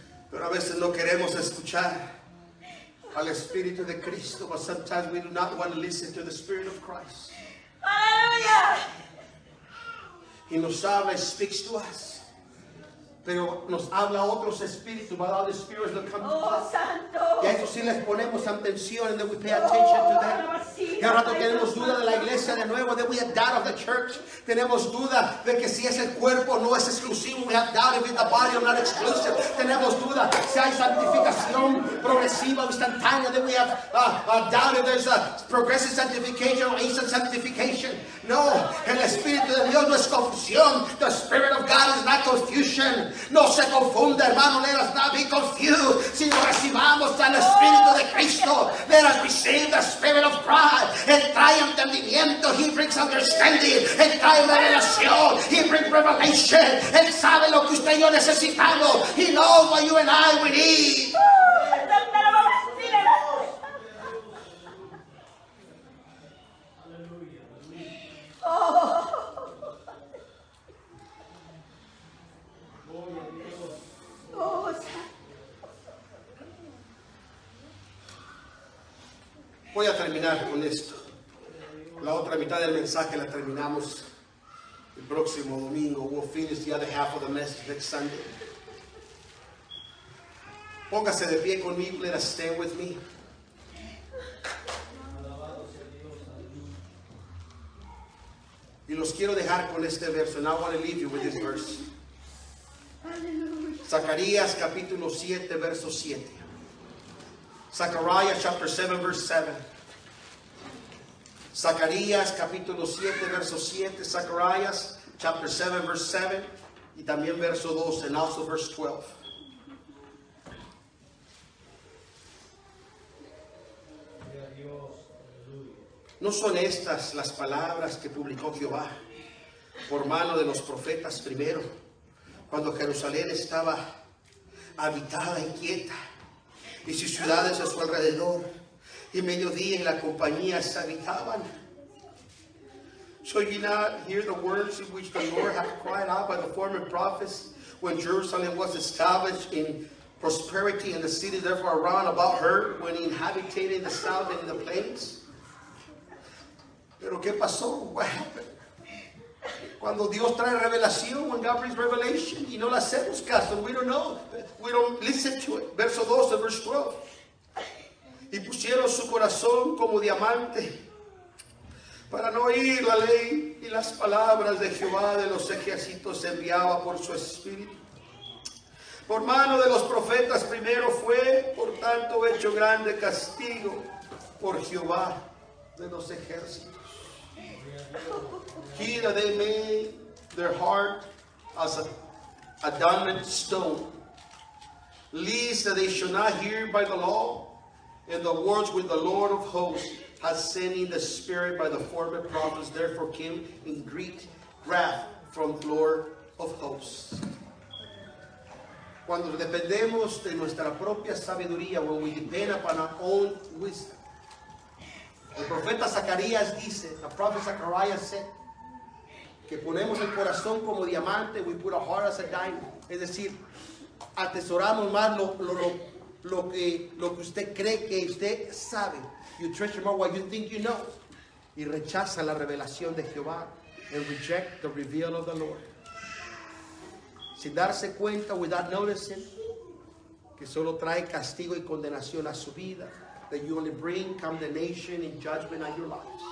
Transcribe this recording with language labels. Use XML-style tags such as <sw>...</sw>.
<es>Pero a veces no queremos escuchar al Espíritu de Cristo.</es> <en>But sometimes we do not want to listen to the Spirit of Christ.</en> <es>Aleluya. Y nos habla,</es> <en>speaks to us.</en> <es>Pero nos habla otros espíritus.</es> <en>But other spirits that come to us.</en> <es>Oh, santo. Y a eso sí les ponemos atención.</es> <en>And then we pay attention to that.</en> <es>Y al rato tenemos duda de la iglesia de nuevo.</es> <en>Then we have doubt of the church.</en> <es>Tenemos duda de que si es el cuerpo no es exclusivo.</es> <en>We have doubt if it's the body or not exclusive.</en> <es>Tenemos duda si hay santificación progresiva o instantánea.</es> <en>Then we have doubt if there's a progressive sanctification or instant sanctification.</en> <es>No, el Espíritu de Dios no es confusión.</es> <en>The Spirit of God is not confusion.</en> <es>No se confunda, hermano.</es> <en>Let us not be confused.</en> <es>Sino recibamos al Espíritu de Cristo.</es> <en>Let us receive the Spirit of Christ.</en> <es>Él trae entendimiento,</es> <en>he brings understanding.</en> <es>Él trae revelación,</es> <en>he brings revelation.</en> <es>Él sabe lo que usted y yo necesitamos.</es> <en>He knows what you and I we need.</en> <es>Voy a terminar con esto. La otra mitad del mensaje la terminamos el próximo domingo.</es> <en>We'll finish the other half of the message next Sunday.</en> <es>Póngase de pie conmigo.</es> <en>Let us stand with me.</en> <es>Y los quiero dejar con este verso.</es> <en>And I want to leave you with this verse. Hallelujah.</en> <es>Zacarías capítulo 7, verso 7.</es> <en>Zacarías chapter 7, verse 7.</en> <es>Zacarías capítulo 7, verso 7.</es> <en>Zacarías chapter 7, verse 7.</en> <es>Y también verso 12,</es> <en>and also verse 12.</en> <es>No son estas las palabras que publicó Jehová por mano de los profetas primero, cuando Jerusalén estaba habitada y quieta, y sus ciudades a su alrededor, y mediodía en la compañía se habitaban.</es> <en>So you not hear the words in which the Lord had cried out by the former prophets when Jerusalem was established in prosperity and the city therefore around about her when he inhabited in the south and in the plains?</en> <es>Pero ¿qué pasó?</es> <en>What happened?</en> <es>Cuando Dios trae revelación,</es> <en>when God brings revelation,</en> <es>y no la hacemos caso,</es> <en>we don't know, we don't listen to it.</en> <es>Verso 12,</es> <en>verse 12.</en> <es>Y pusieron su corazón como diamante para no oír la ley y las palabras de Jehová de los ejércitos enviaba por su espíritu. Por mano de los profetas primero fue, por tanto, hecho grande castigo por Jehová de los ejércitos.</es> <en>He that they made their heart as a dumb stone, lest that they should not hear by the law, and the words which the Lord of hosts has sent in the spirit by the former prophets, therefore came in great wrath from the Lord of hosts.</en> <es>Cuando dependemos de nuestra propia sabiduría,</es> <en>when we depend upon our own wisdom.</en> <es>El profeta Zacarías dice,</es> <en>the prophet Zacarías said,</en> <es>que ponemos el corazón como diamante,</es> <en>we put our heart as a diamond.</en> <es>Es decir, atesoramos más lo que usted cree que usted sabe.</es> <en>You treasure more what you think you know.</en> <es>Y rechaza la revelación de Jehová.</es> <en>And reject the reveal of the Lord.</en> <es>Sin darse cuenta,</es> <en>without noticing,</en> <es>que solo trae castigo y condenación a su vida.</es> <en>That you only bring condemnation and judgment on your lives.</en>